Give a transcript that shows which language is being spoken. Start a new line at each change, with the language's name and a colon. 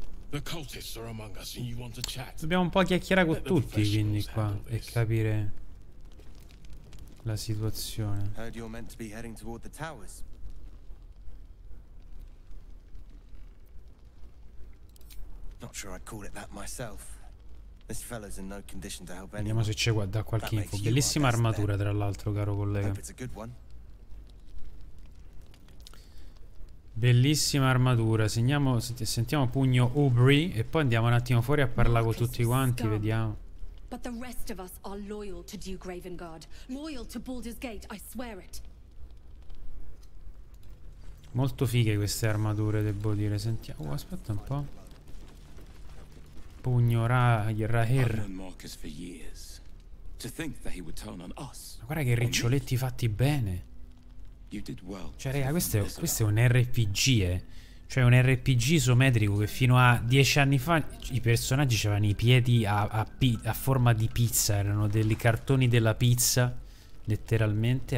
English: The cultists are among us and you want to chat.
Italian: Dobbiamo un po' chiacchierare con tutti, quindi qua, e capire la situazione.
English: Heard you're meant to be heading toward the towers. Not sure I'd call it that myself. This fellow's in no condition to help anyone.
Italian: Vediamo se c'è da qualche info. Bellissima armatura, tra l'altro, caro collega. Bellissima armatura. Sentiamo pugno Ubri e poi andiamo un attimo fuori a parlare con tutti quanti, vediamo.
English: But the rest of us are loyal to Duke Gravengard, loyal to Baldur's Gate, I swear it.
Italian: Molto fighe queste armature, devo dire. Sentiamo, aspetta un po'.
English: Pugno Rahir. Marcus for years. To think that he would turn on us.
Italian: Ma guarda che riccioletti fatti bene. Cioè, raga, questo è un RPG, Cioè, un RPG isometrico che fino a 10 anni fa i personaggi avevano i piedi a forma di pizza. Erano dei cartoni della pizza, letteralmente.